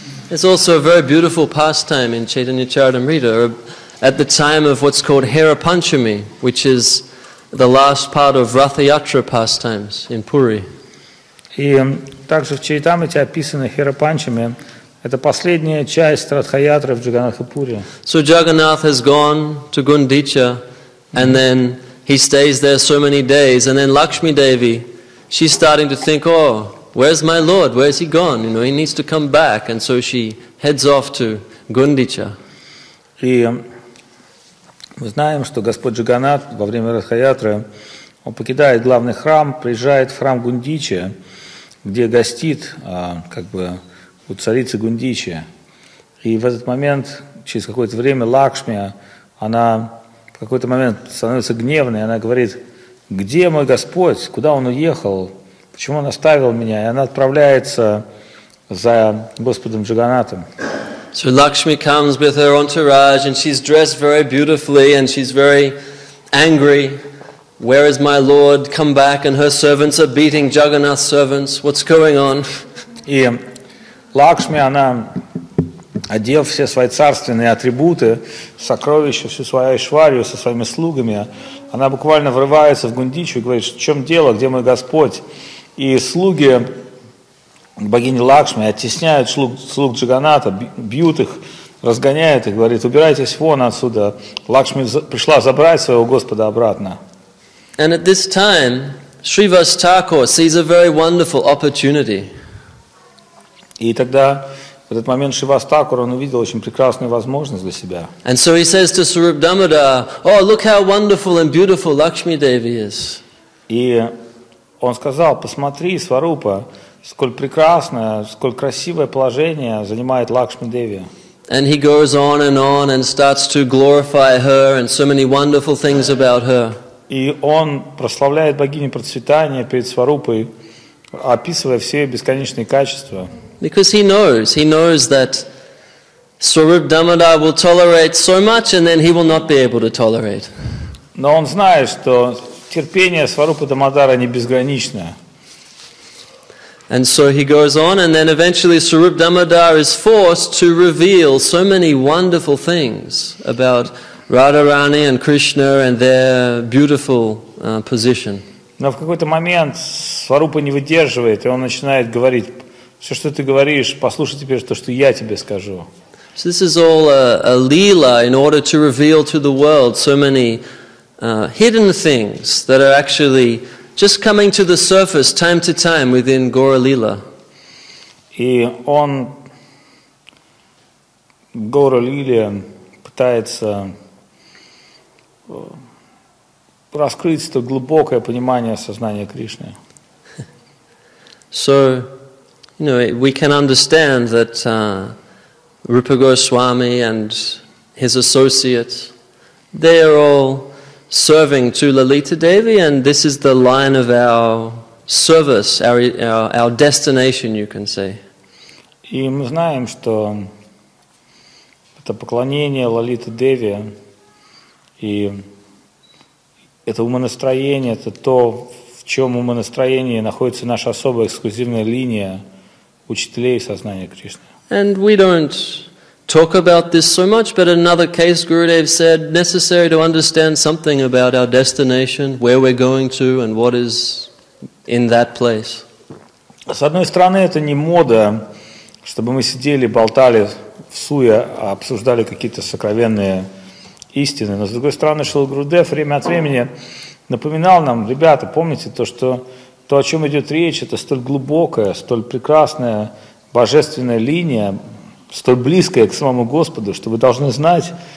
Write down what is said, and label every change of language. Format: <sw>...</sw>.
<en>It's also a very beautiful pastime in Chaitanya Charitamrita at the time of what's called Hara Panchami, which is the last part of Rath Yatra pastimes in Puri.</en> <ru>И также в Чайтамрите описано Hara Panchami. Это последняя часть Ратха Ятры в Джаганнатхапуре.</ru> <en>So Jagannath has gone to Gundicha, and then he stays there so many days, and then Lakshmi Devi, she's starting to think, oh, where's my lord? Where's he gone? You know, he needs to come back, and so she heads off to Gundicha.</en> <ru>И мы знаем, что Господь Джаганнат во время Радхаятры он покидает главный храм, приезжает в храм Гундичи, где гостит, как бы, у царицы Гундичи. И в этот момент, через какое-то время, Лакшми, она в какой-то момент становится гневной, она говорит: где мой Господь? Куда он уехал? Почему он оставил меня? И она отправляется за Господом Джаганнатом.</ru> <en>So Lakshmi comes with her entourage, and she's dressed very beautifully, and she's very angry. Where is my lord? Come back! And her servants are beating Jagannath's servants. What's going on?</en> <ru>И Лакшми, она, одев все свои царственные атрибуты, сокровища, всю свою айшварию со своими слугами, она буквально врывается в Гундичу и говорит: в чем дело? Где мой Господь? И слуги богини Лакшми оттесняют слуг Джаганната, бьют их, разгоняют их, говорит: убирайтесь вон отсюда. Лакшми пришла забрать своего Господа обратно.</ru> <en>And at this time, Shrivas Thakur sees a very wonderful opportunity.</en> <ru>И тогда, в этот момент, Шривас Такур, он увидел очень прекрасную возможность для себя.</ru> <en>And so he says to Swarup Damodar, oh, look how wonderful and beautiful Lakshmi Devi is.</en> <ru>И он сказал: посмотри, Сварупа, сколь прекрасное, сколь красивое положение занимает Лакшми Деви.</ru> <en>And he goes on and on and starts to glorify her and so many wonderful things about her.</en> <ru>И он прославляет богиню процветания перед Сварупой, описывая все бесконечные качества.</ru> <en>Because he knows that Swarup Damodar will tolerate so much, and then he will not be able to tolerate.</en> <ru>Но он знает, что терпение Сварупы Дамодара не безграничное.</ru> <en>And so he goes on, and then eventually Swarup Damodar is forced to reveal so many wonderful things about Radharani and Krishna and their beautiful position.</en> <ru>Но в какой-то момент Сварупа не выдерживает, и он начинает говорить: все, что ты говоришь, послушай теперь то, что я тебе скажу.</ru> <en>So this is all a leela in order to reveal to the world so many hidden things that are actually just coming to the surface time to time within Gaura Leela.</en> <ru>И он в Гаура Лиле пытается раскрыть это глубокое понимание сознания Кришны.</ru> <en>So, you know, we can understand that Rupa Goswami and his associates, they are all serving to Lalita Devi, and this is the line of our service, our destination, you can say.</en> <ru>И мы знаем, что это поклонение Лалита Деви, и это умонастроение, это то, в чем умонастроении находится наша особая эксклюзивная линия учителей сознания Кришны.</ru> <en>And we don't talk about this so much, but in another case, Gurudev said, necessary to understand something about our destination, where we're going to, and what is in that place.</en> <ru>С одной стороны, это не мода, чтобы мы сидели, болтали в суе, обсуждали какие-то сокровенные истины. Но с другой стороны, Шрила Гурудев время от времени напоминал нам: ребята, помните то, что то, о чем идет речь, это столь глубокая, столь прекрасная божественная линия, столь близкая к самому Господу, что вы должны знать,</ru>